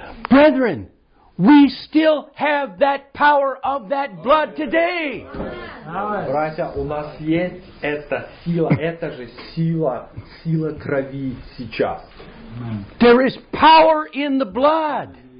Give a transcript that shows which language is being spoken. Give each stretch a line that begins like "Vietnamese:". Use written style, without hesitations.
English: Brethren, we still have that power of that blood today.
Russian: Братья, у нас есть эта сила, эта же сила, сила крови сейчас.
English: There is power in the blood.